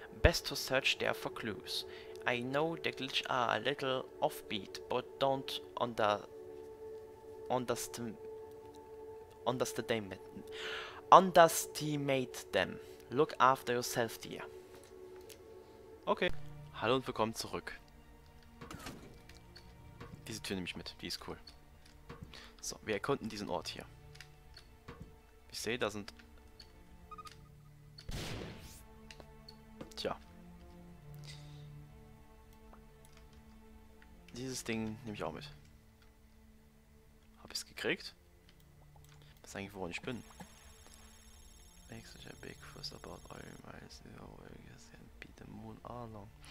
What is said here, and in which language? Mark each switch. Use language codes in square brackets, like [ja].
[en] Best to search there for clues. I know the glitch are a little offbeat, but don't underestimate them. Look after yourself, dear. Okay. [de] Hallo und willkommen zurück. Diese Tür nehme ich mit, die ist cool. So, wir erkunden diesen Ort hier. Ich sehe, da sind... Tja. Dieses Ding nehme ich auch mit. Hab ich es gekriegt? Was ist eigentlich, woran ich bin? [en] Make such a big fuss about all miles in your way, yes, and beat the moon all along.